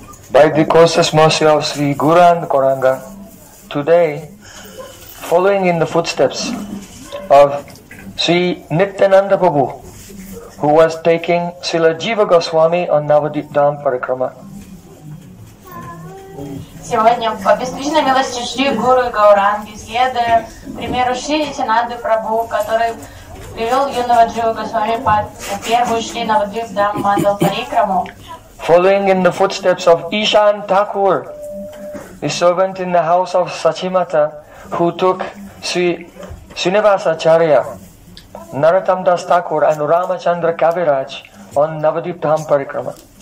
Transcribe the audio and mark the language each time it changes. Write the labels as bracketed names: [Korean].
[English] By the causes mercy of Sri Guru and Goranga, today, following in the footsteps of Sri Nityananda Prabhu, who was taking Srila Jiva Goswami on Navadvip Dham Parikrama. [Russian] Сегодня по беспричинной милости Шри Гуру и Гауранги, следуя примеру Шри Нитянанды Прабху, который привел юного Джива Госвами по первую Шри Навадвип Дам Мандал Парикраму. [English] Following in the footsteps of Ishan Thakur, the servant in the house of Sachimata, who took Sri Srinivasacharya, Narottam Das Thakur and Ramachandra Kaviraj on Navadvip Dham Parikrama.